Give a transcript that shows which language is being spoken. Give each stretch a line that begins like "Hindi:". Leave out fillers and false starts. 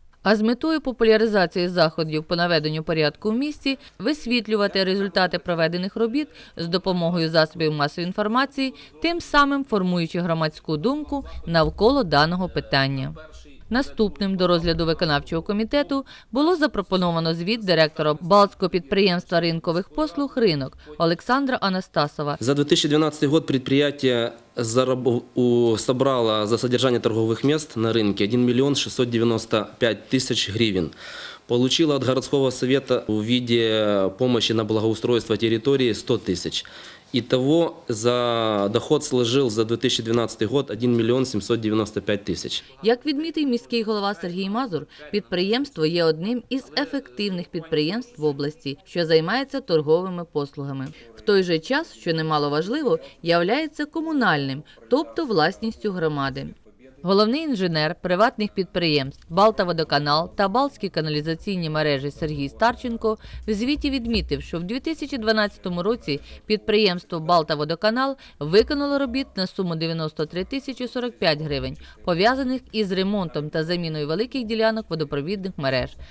Ukrainian: А з метою популяризації заходів по наведенню порядку в місті – висвітлювати результати проведених робіт з допомогою засобів масової інформації, тим самим формуючи громадську думку навколо даного питання. Наступним до розгляду виконавчого комітету було запропоновано звіт директора Балтського підприємства ринкових послуг «Ринок» Олександра Анастасова.
Russian: За 2012 год предприятие собрало за содержание торговых мест на рынке 1 695 000 гривен. Получило от городского совета в виде помощи на благоустройство территории 100 000. Итого за доход сложил за 2012 год 1 795 тисяч.
Ukrainian: Як відмітив міський голова Сергій Мазур, підприємство є одним із ефективних підприємств в області, що займається торговими послугами. В той же час, що немаловажливо, являється комунальним, тобто власністю громади. Головний інженер приватних підприємств «Балтаводоканал» та «Балтські каналізаційні мережі» Сергій Старченко в звіті відмітив, що в 2012 році підприємство «Балтаводоканал» виконало робіт на суму 93 045 гривень, пов'язаних із ремонтом та заміною великих ділянок водопровідних мереж.